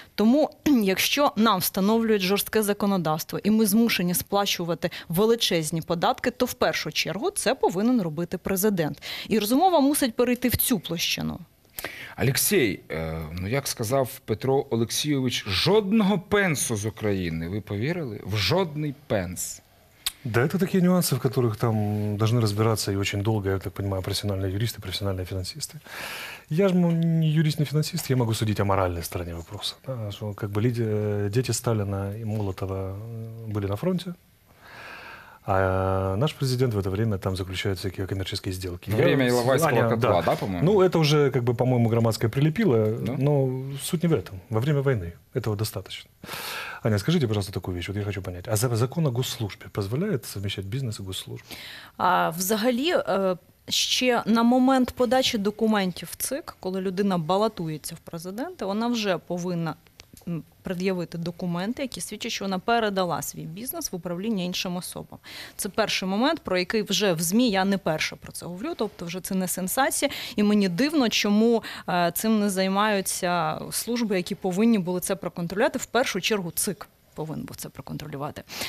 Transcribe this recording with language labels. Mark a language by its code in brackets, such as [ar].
[uk] Тому, якщо нам встановлюють жорстке законодавство і ми змушені сплачувати величезні податки, то в першу чергу це повинен робити президент. І розмова мусить перейти в цю площину. Олексій, ну як сказав Петро Олексійович, жодного пенсу з України, ви повірили? В жодний пенс. [ru] Да, это такие нюансы, в которых там должны разбираться и очень долго, я так понимаю, профессиональные юристы, профессиональные финансисты. Я же не юрист, не финансист, я могу судить о моральной стороне вопроса. Да, что, как бы дети Сталина и Молотова были на фронте, а наш президент в это время там заключает всякие коммерческие сделки. Время Иловайского котла, да, да, по-моему? Ну, это уже, как бы, по-моему, громадское прилепило, да? Но суть не в этом. Во время войны этого достаточно. Аня, скажите, пожалуйста, такую вещь, вот я хочу понять. А закон о госслужбе позволяет совмещать бизнес и госслужбу? [uk] Взагалі, ще на момент подачи документів в ЦИК, коли людина балотується в президенти, вона вже повинна пред'явити документи, які свідчать, що вона передала свій бізнес в управління іншим особам. Це перший момент, про який вже в ЗМІ я не перша про це говорю, тобто вже це не сенсація, і мені дивно, чому цим не займаються служби, які повинні були це проконтролювати, в першу чергу ЦИК повинен був це проконтролювати.